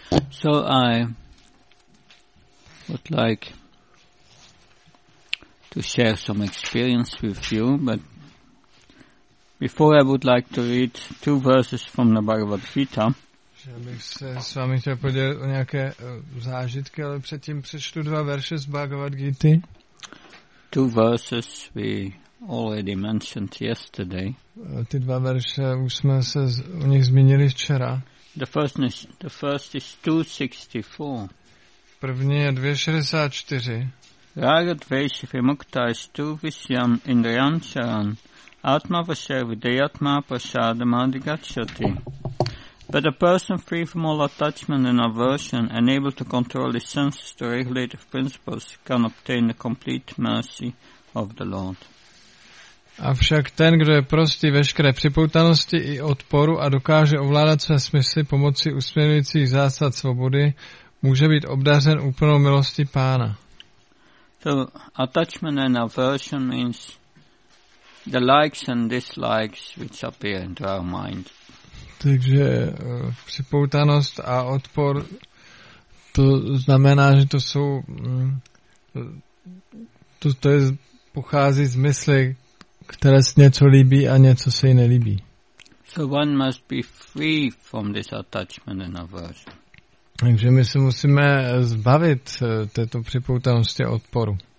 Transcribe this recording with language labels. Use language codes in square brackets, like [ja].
[en] So I would like to share some experience with you, but before I would like to read two verses from the Bhagavad Gita. [cs] Že bych se s vámi chtěl podělit o nějaké zážitky, ale předtím přečtu dva verše z Bhagavad Gita. [en] Two verses we already mentioned yesterday. [cs] Ty dva verše už jsme se o nich zmínili včera. [en] The first is 264. [cs] První je 264. [sa] Raga dvesha vimukta is tu visyam indriyancharan atma vasya vidyatma prasadam adigacchati. [en] But a person free from all attachment and aversion and able to control his senses to regulative principles can obtain the complete mercy of the Lord. [cs] Avšak ten, kdo je prostý veškeré připoutanosti i odporu a dokáže ovládat své smysly pomocí usměrňujících zásad svobody, může být obdařen úplnou milostí Pána. [en] So attachment and aversion means the likes and dislikes which appear in our mind. [cs] Takže připoutanost a odpor, to znamená, že to jsou to je, pochází z mysli, které se něco líbí a něco se jí nelíbí. [en] So one must be free from this attachment and aversion. [cs] Takže my se musíme zbavit této připoutanosti a odporu.